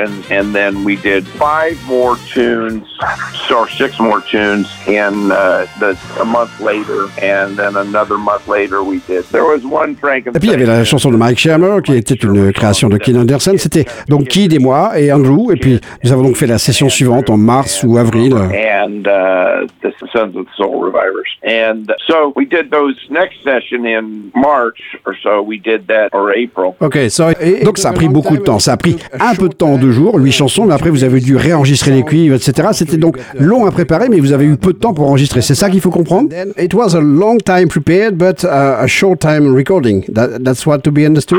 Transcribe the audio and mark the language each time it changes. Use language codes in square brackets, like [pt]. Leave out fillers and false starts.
[en] And then we did 5 more tunes, or 6 more tunes, in a month later. And then another month later, we did. There was one Frankenstein. [fr] Et puis il y avait la chanson de Mike Shermer qui était une création de Keith Anderson. C'était donc Keith et moi et Andrew. Et puis nous avons donc fait la session suivante en mars ou avril. [en] And the Sons of the Soul Revivers. And so we did those next session in March or so. We did that or April. Okay, so [fr] donc ça a pris beaucoup de temps. Ça a pris un peu de temps, 2 jours. 8 chansons, mais après vous avez dû réenregistrer les cuivres, etc. C'était donc long à préparer, mais vous avez eu peu de temps pour enregistrer. C'est ça qu'il faut comprendre. [en] It was a long time prepared, but a short time recording. That's what to be understood.